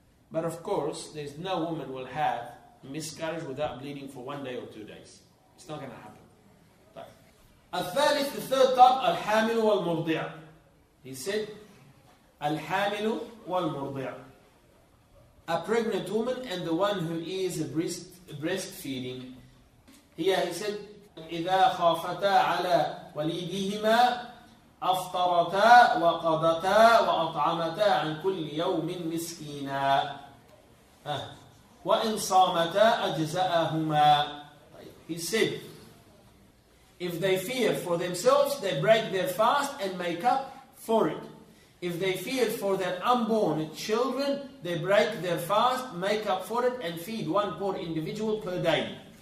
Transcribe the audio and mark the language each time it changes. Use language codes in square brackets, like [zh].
[en] But of course, there's no woman will have a miscarriage without bleeding for 1 day or 2 days. It's not going to happen. The third type, al-hamil wal-murdi'a. He said, al-hamil wal-murdi'a. A pregnant woman and the one who is breastfeeding. He said, [ar] إِذَا خَافَتَا عَلَى وَلِيدِهِمَا أَفْطَرَتَا وَقَضَتَا وَأَطْعَمَتَا عَنْ كُلِّ يَوْمٍ مِسْكِينَا. وَإِنْ صَامَتَا أَجْزَأَهُمَا. [en] He said, if they fear for themselves, they break their fast and make up for it. If they fear for their unborn children, they break their fast, make up for it, and feed one poor individual per day.